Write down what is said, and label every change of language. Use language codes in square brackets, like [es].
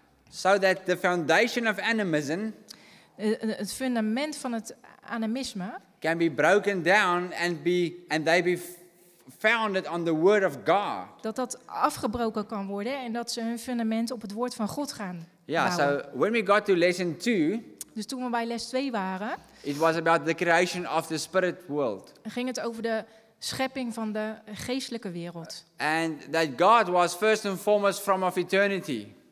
[en] So that the foundation of animism. [nl] Het fundament van het animisme. [en] Can be broken down and they be founded on the word of God. [nl] Dat afgebroken kan worden en dat ze hun fundament op het woord van God gaan. [en] Ja, yeah, so when we got to lesson 2. [nl] Dus toen we bij les 2 waren. [en] It was about the creation of the spirit world. [nl] Ging het over de schepping van de geestelijke wereld. [en] And that God was first and foremost from of eternity.